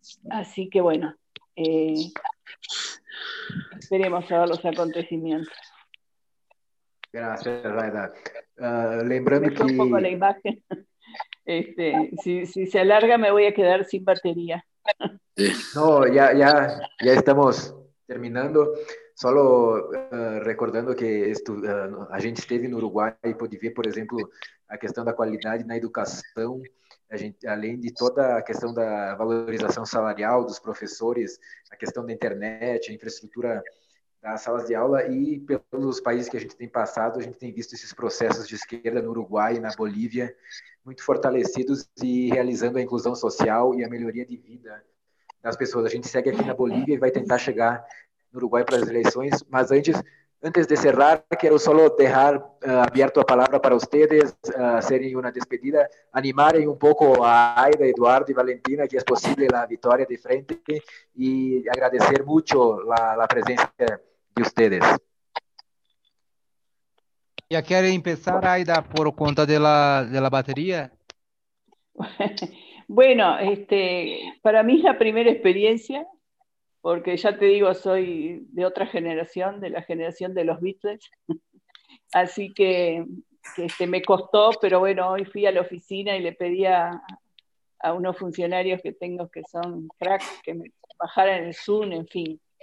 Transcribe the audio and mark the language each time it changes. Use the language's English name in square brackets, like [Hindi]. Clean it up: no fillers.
[Spanish] Así que bueno, esperemos a ver los acontecimientos. Gracias, Raida. [Portuguese] Lembrando [Spanish] que... Un poco la imagen. Si se alarga me voy a quedar sin batería. No, ya estamos terminando. Solo recordando [Portuguese] que a gente esteve no Uruguai e pôde ver, por exemplo, a questão da qualidade na educação, a gente, além de toda a questão da valorização salarial dos professores, a questão da internet, a infraestrutura das salas de aula, e pelos países que a gente tem passado, a gente tem visto esses processos de esquerda no Uruguai e na Bolívia muito fortalecidos e realizando a inclusão social e a melhoria de vida das pessoas. A gente segue aqui na Bolívia e vai tentar chegar no Uruguai para as eleições, mas antes de cerrar, quero só deixar aberto a palavra para vocês serem uma despedida, animarem um pouco a Aida, Eduardo e Valentina, que é possível a vitória de frente, e agradecer muito a presença de vocês. Já querem começar, Aida, por conta da bateria? [Spanish] Bueno, [Portuguese] para mim, a primeira experiência, porque [Spanish] ya te digo, soy de otra generación, de la generación de los Beatles, así que me costó, pero bueno, hoy fui a la oficina y le pedí a unos funcionarios que tengo que son cracks, que me bajaran el Zoom, en fin.